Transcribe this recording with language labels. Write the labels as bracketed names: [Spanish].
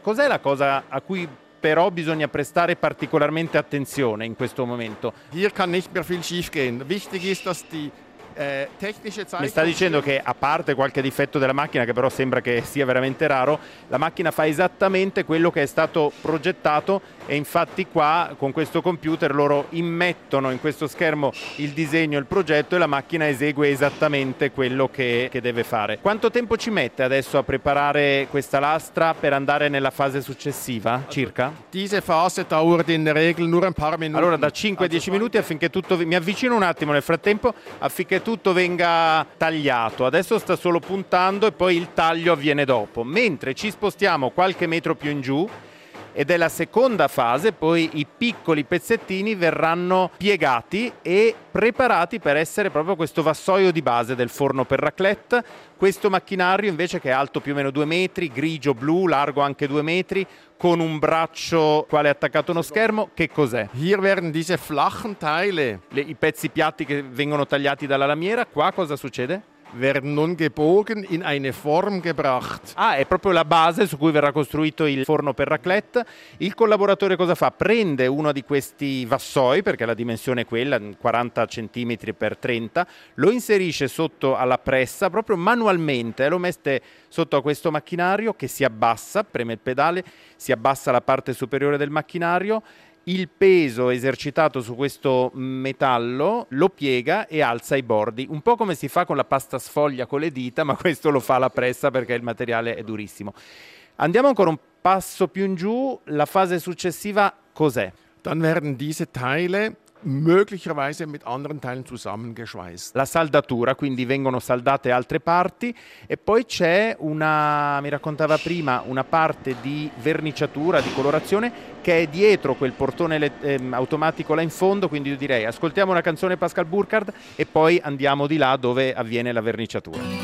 [Italian] Cos'è la cosa a cui però bisogna prestare particolarmente attenzione in questo momento? [German] Hier kann nicht mehr viel schief gehen. Wichtig ist, dass die technische Zeit. [Italian] Mi sta dicendo che a parte qualche difetto della macchina, che però sembra che sia veramente raro, la macchina fa esattamente quello che è stato progettato. E infatti qua con questo computer loro immettono in questo schermo il disegno, il progetto, e la macchina esegue esattamente quello che deve fare. Quanto tempo ci mette adesso a preparare questa lastra per andare nella fase successiva, circa? [German] Diese Phase dauert in Regel nur ein paar Minuten. [Italian] Allora da 5-10 minuti affinché tutto, mi avvicino un attimo nel frattempo, affinché tutto venga tagliato. Adesso sta solo puntando e poi il taglio avviene dopo. Mentre ci spostiamo qualche metro più in giù, ed è la seconda fase, poi i piccoli pezzettini verranno piegati e preparati per essere proprio questo vassoio di base del forno per raclette. Questo macchinario invece, che è alto più o meno 2 metri, grigio blu, largo anche 2 metri, con un braccio quale è attaccato a uno schermo, che cos'è? [German] Hier werden diese flachen Teile. [Italian] I pezzi piatti che vengono tagliati dalla lamiera, qua cosa succede? [German] Werden nun gebogen in eine Form gebracht. [Italian] Ah, è proprio la base su cui verrà costruito il forno per raclette. Il collaboratore cosa fa? Prende uno di questi vassoi, perché la dimensione è quella, 40 cm per 30, lo inserisce sotto alla pressa, proprio manualmente, lo mette sotto a questo macchinario che si abbassa, preme il pedale, si abbassa la parte superiore del macchinario. Il peso esercitato su questo metallo lo piega e alza i bordi, un po' come si fa con la pasta sfoglia con le dita, ma questo lo fa la pressa perché il materiale è durissimo. Andiamo ancora un passo più in giù, la fase successiva cos'è? [German] Dann werden diese Teile möglicherweise mit anderen Teilen zusammengeschweißt. [Italian] La saldatura, quindi vengono saldate altre parti, e poi c'è una, mi raccontava prima, una parte di verniciatura, di colorazione, che è dietro quel portone automatico là in fondo. Quindi io direi, ascoltiamo una canzone Pascal Burkhardt e poi andiamo di là dove avviene la verniciatura.